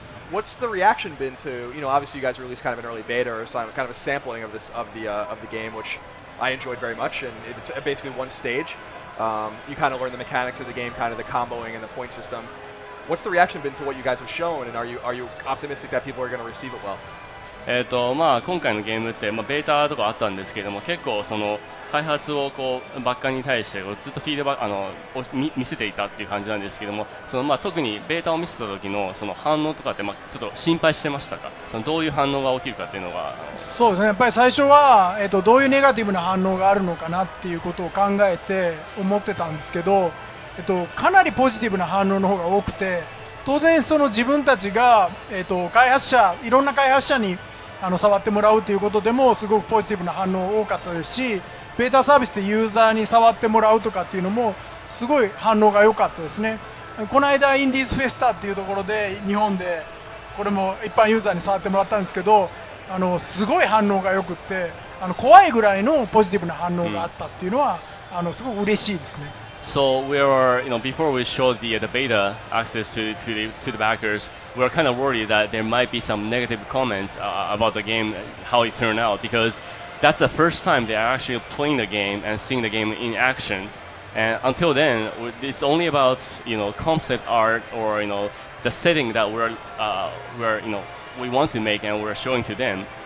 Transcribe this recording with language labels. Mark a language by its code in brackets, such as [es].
[en] What's the reaction been to, obviously you guys released kind of an early beta or kind of a sampling of this of the game, which I enjoyed very much, and it's basically one stage. You kind of learn the mechanics of the game, kind of the comboing and the point system. What's the reaction been to what you guys have shown, and are you optimistic that people are going to receive it well? [ja] まあ、今回のゲームって、まあ、ベータとかあったんですけれども、結構その開発をこうバッカに対してずっとフィードバック見せていたっていう感じなんですけども、そのまあ特にベータを見せた時のその反応とかって、まあちょっと心配してましたか？そのどういう反応が起きるかっていうのが。そうですね、やっぱり最初は、どういうネガティブな反応があるのかなっていうことを考えて思ってたんですけど、かなりポジティブな反応の方が多くて、当然その自分たちが、開発者、いろんな開発者に触ってもらうということでもすごくポジティブな反応多かったですし、ベータサービスでユーザーに触ってもらうとかっていうのもすごい反応が良かったですね。この間インディーズフェスタっていうところで日本でこれも一般ユーザーに触ってもらったんですけど、すごい反応が良くって、怖いぐらいのポジティブな反応があったっていうのは、すごく嬉しいですね。 [en] So we were, before we showed the beta access to the backers, we were kind of worried that there might be some negative comments about the game, how it turned out, because that's the first time they are actually playing the game and seeing the game in action. And until then, it's only about, concept art or, the setting that we want to make and we're showing to them.